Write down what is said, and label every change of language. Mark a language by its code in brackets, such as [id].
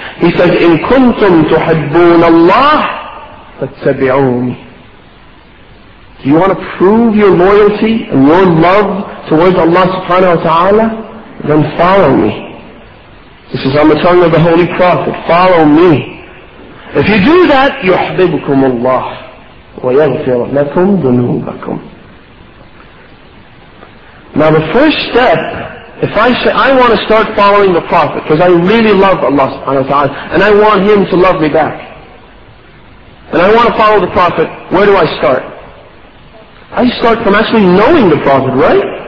[en] He says, [ar] إِن كُنْتُمْ تُحِبُّونَ اللَّهِ فَاتَّبِعُونِ. [en] Do you want to prove your loyalty and your love towards Allah subhanahu wa ta'ala? Then follow me. This is on the tongue of the Holy Prophet. Follow me. If you do that, [ar] يُحْبِبُكُمْ اللَّهِ وَيَغْفِرَ لَكُمْ ذُنُوبَكُمْ. [en] Now the first step, if I say I want to start following the Prophet because I really love Allah subhanahu wa ta'ala and I want Him to love me back, and I want to follow the Prophet, where do I start? I start from actually knowing the Prophet, right?